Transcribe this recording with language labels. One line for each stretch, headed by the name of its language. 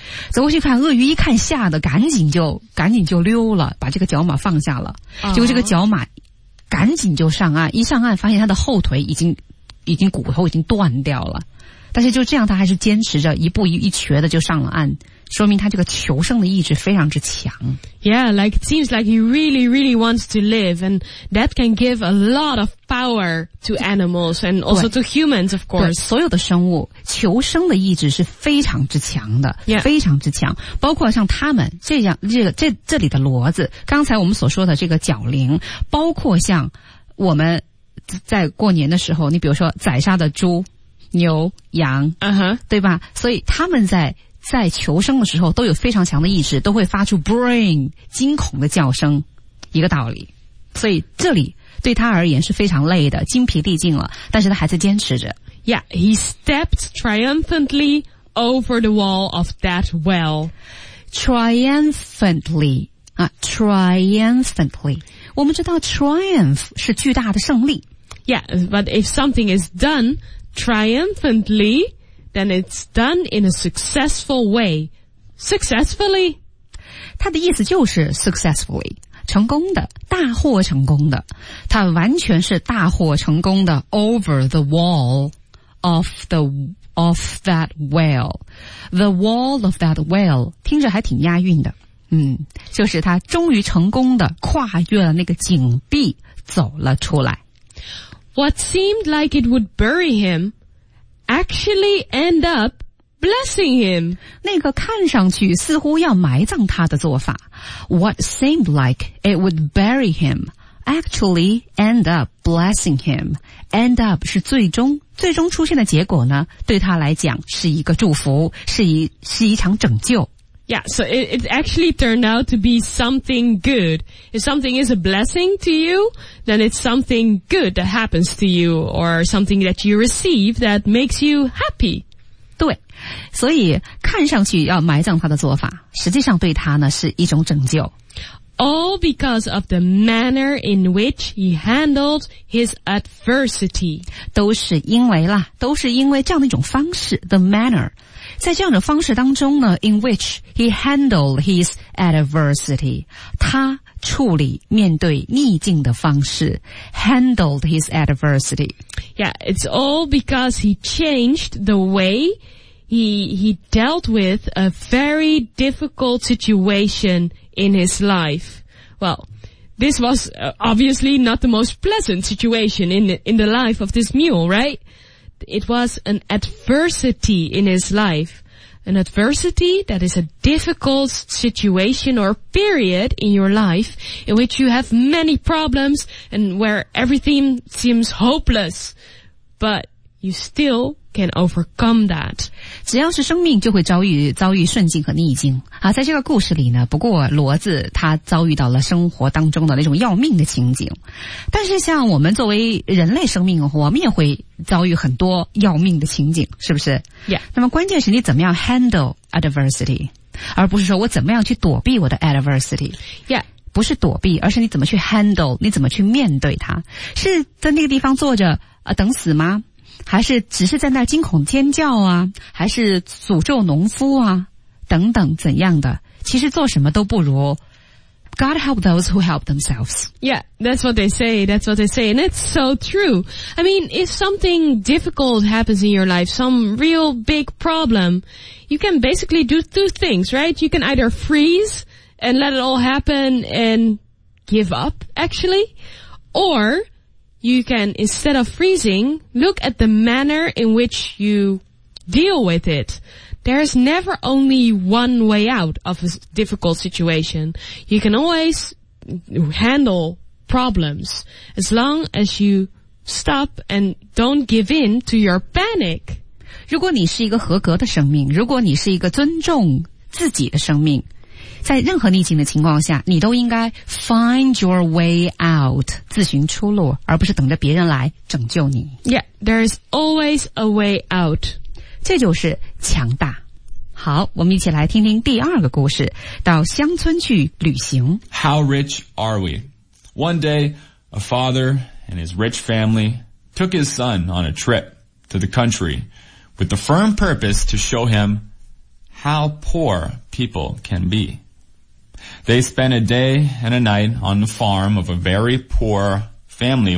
Chinese: 走过去看，鳄鱼一看吓得赶紧就溜了，把这个角马放下了。结果这个角马赶紧就上岸，一上岸发现他的后腿已经骨头已经断掉了，但是就这样他还是坚持着一步一瘸的就上了岸，说明他这个求生的意志非常之强。
English: Yeah, like it seems like he really really wants to live, and that can give a lot of power to animals and also to humans, of course.
Chinese: 对，所有的生物求生的意志是非常之强的、
English: yeah.
Chinese: 非常之强，包括像他们这里的骡子，刚才我们所说的这个角羚，包括像我们在过年的时候，你比如说宰杀的猪牛羊、
English: uh-huh.
Chinese: 对吧，所以他们在求生的时候都有非常强的意志，都会发出 brain 惊恐的叫声，一个道理。所以这里对他而言是非常累的，精疲力尽了，但是他还在坚持着。
English: Yeah, he stepped triumphantly over the wall of that well. Triumphantly, triumphantly.
Chinese: 我们知道 triumph 是巨大的胜利。
English: Yeah, but if something is done triumphantly, then it's done in a successful way. Successfully?
Chinese: 它的意思就是 successfully, 成功的，大获成功的。它完全是大获成功的
English: over the wall of that well. The wall of that well,
Chinese: 听着还挺押韵的。嗯，就是他终于成功的跨越了那个井壁走了出来。
English: What seemed like it would bury him actually end up blessing him.
Chinese: 那个看上去似乎要埋葬他的做法。
English: What seemed like it would bury him actually end up blessing him. End up
Chinese: 是最终出现的结果呢，对他来讲是一个祝福，是一场拯救。
English: Yeah, so it actually turned out to be something good. If something is a blessing to you, then it's something good that happens to you or something that you receive that makes you happy. 对，所以看上去要埋葬他的做法，实际上对他呢是一种拯救。 All because of the manner in which he handled his adversity. 都是因为啦，都是因为这样的一种方式 , the manner. 在这样的方式当中呢 , in which he handled his adversity. 他处理面对逆境的方式 , handled his adversity. Yeah, it's all because he changed the way he dealt with a very difficult situation in his life. Well, this was obviously not the most pleasant situation in the life of this mule, right? It was an adversity in his life. An adversity that is a difficult situation or period in your life in which you have many problems and where everything seems hopeless. But you still can overcome that.
Chinese: 只要是生命就会遭遇顺境和逆境。啊，在这个故事里呢，不过骡子他遭遇到了生活当中的那种要命的情景。但是像我们作为人类生命，我们也会遭遇很多要命的情景，是不是？
English: Yeah.
Chinese: 那么关键是你怎么样
English: handle adversity,
Chinese: 而不是说我怎么样去躲避我的 adversity。
English: Yeah.
Chinese: 不是躲避，而是你怎么去 handle, 你怎么去面对它。是在那个地方坐着等死吗？还是只是在那惊恐尖叫啊，还是诅咒农夫啊，等等怎样的？其实做什么都不如
English: God help those who help themselves. Yeah, that's what they say. That's what they say, and it's so true. I mean, if something difficult happens in your life, some real big problem, you can basically do two things, right? You can either freeze and let it all happen and give up, actually, or you can, instead of freezing, look at the manner in which you deal with it. There's never only one way out of a difficult situation. You can always handle problems as long as you stop and don't give in to your panic.
Chinese: 如果你是一个合格的生命，如果你是一个尊重自己的生命，在任何逆境的情况下，你都应该
English: find your way out,
Chinese: 自寻出路，而不是等着别人来拯救你。
English: Yeah, there is always a way out.
Chinese: 这就是强大。好，我们一起来听听第二个故事，到乡村去旅行。
English: How rich are we? One day, a father and his rich family took his son on a trip to the country with the firm purpose to show him how poor people can be. They spent a day and a night on the farm of a very poor family.